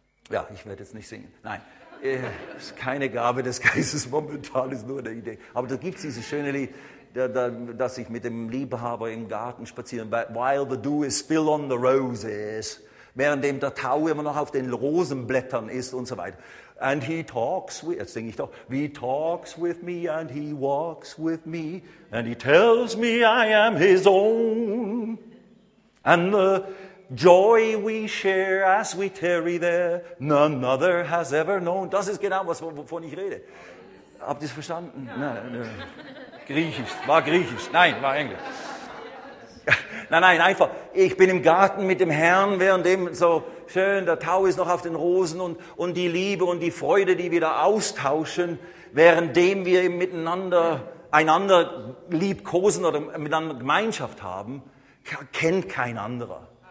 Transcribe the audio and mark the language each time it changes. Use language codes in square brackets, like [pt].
[de] Ja, ich werde jetzt nicht singen. Nein, ist keine Gabe des Geistes momentan, ist nur eine Idee. Aber da gibt es dieses schöne Lied, dass ich mit dem Liebhaber im Garten spazieren, [en] while the dew is still on the roses. [de] Währenddem der Tau immer noch auf den Rosenblättern ist und so weiter. [en] And he talks with, [de] jetzt singe ich doch, [en] he talks with me and he walks with me and he tells me I am his own. And the joy we share as we tarry there, none other has ever known. [de] Das ist genau, wovon ich rede. Habt ihr es verstanden? Nein. Griechisch, war Griechisch. Nein, war Englisch. Nein, einfach, ich bin im Garten mit dem Herrn, währenddem so schön, der Tau ist noch auf den Rosen und die Liebe und die Freude, die wir da austauschen, währenddem wir miteinander einander liebkosen oder miteinander Gemeinschaft haben, kennt kein anderer.